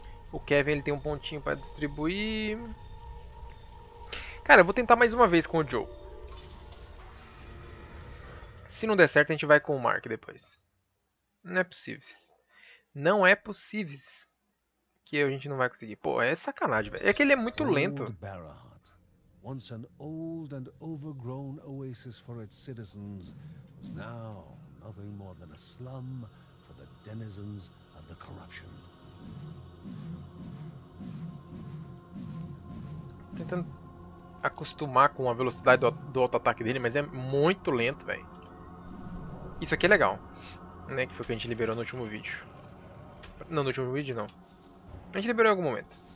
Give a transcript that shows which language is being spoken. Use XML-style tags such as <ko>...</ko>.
<pt>O Kevin, ele tem um pontinho pra distribuir. Cara, eu vou tentar mais uma vez com o Joe. Se não der certo, a gente vai com o Mark depois. Não é possível. Não é possível que a gente não vai conseguir. Pô, é sacanagem, velho. É que ele é muito lento.</pt> <en>Barahut, once an old and overgrown oasis for its citizens, was now nothing more than a slum for the denizens of the corruption.</en> <pt>Tentando acostumar com a velocidade do auto-ataque dele, mas é muito lento, velho. Isso aqui é legal, né? Que foi o que a gente liberou no último vídeo. Não, no último vídeo não. A gente liberou em algum momento.</pt>